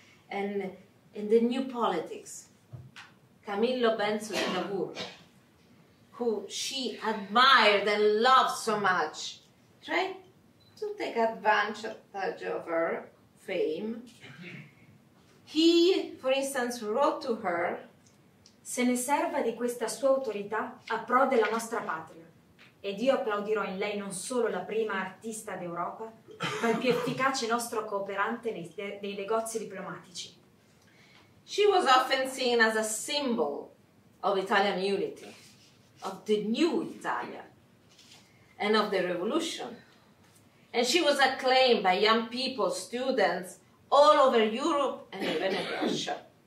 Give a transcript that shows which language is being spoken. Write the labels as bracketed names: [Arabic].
[English] And in the new politics, Camillo Benso di Cavour, who she admired and loved so much, tried to take advantage of her fame. He, for instance, wrote to her, [Italian] "Se ne serva di questa sua autorità a pro della nostra patria, ed io applaudirò in lei non solo la prima artista d'Europa, ma il più efficace nostro cooperante nei negozi diplomatici." [English] She was often seen as a symbol of Italian unity, of the new Italia, and of the revolution. And she was acclaimed by young people, students, all over Europe and even in Russia.